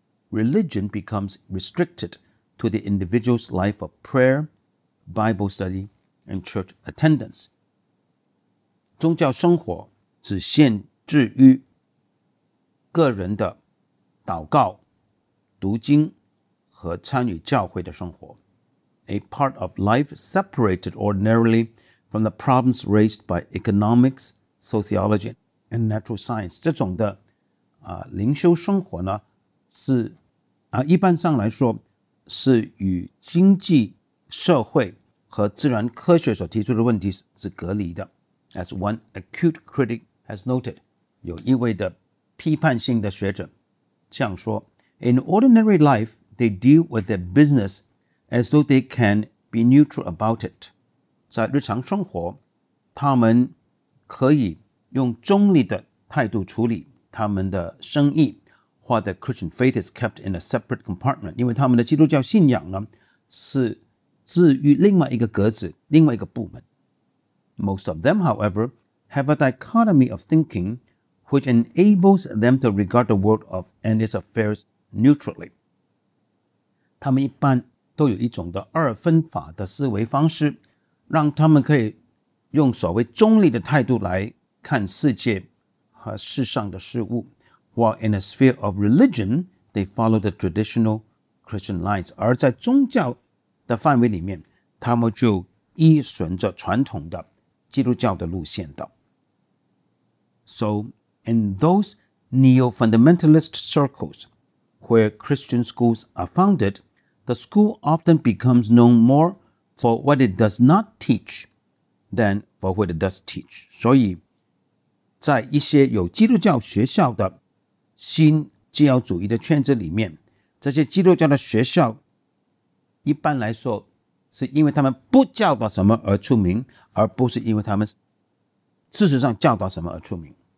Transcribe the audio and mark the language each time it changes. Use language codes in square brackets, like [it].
[en] Religion becomes restricted to the individual's life of prayer, Bible study, and church attendance。 [zh] 宗教生活只限制于个人的祷告、读经和参与教会的生活。 [en] A part of life separated ordinarily from the problems raised by economics, sociology, and natural science. [zh] 这种的灵修生活呢，是一般上来说是与经济、社会和自然科学所提出的问题是隔离的。 [en] As one acute critic has noted, [zh] 有一位的批判性的学者这样说， [en] In ordinary life, they deal with their business as though they can be neutral about it. [zh] 在日常生活，他们可以用中立的态度处理他们的生意， [en] while the Christian faith is kept in a separate compartment. [zh] 因为他们的基督教信仰呢，是置于另外一个格子，另外一个部门。 [en] Most of them, however, have a dichotomy of thinking,which enables them to regard the world of and its affairs neutrally. [zh] 他们一般都有一种的二分法的思维方式，让他们可以用所谓中立的态度来看世界和世上的事物。 [en] While in a sphere of religion, they follow the traditional Christian lines. [zh] 而在宗教的范围里面，他们就依循着传统的基督教的路线的。 [en] So,In those neo-fundamentalist circles where Christian schools are founded, the school often becomes known more for what it does not teach than for what it does teach. [zh] 所以在一些有基督教学校的新基督教主义的圈子里面，这些基督教的学校一般来说是因为他们不教导什么而出名，而不是因为他们事实上教导什么而出名。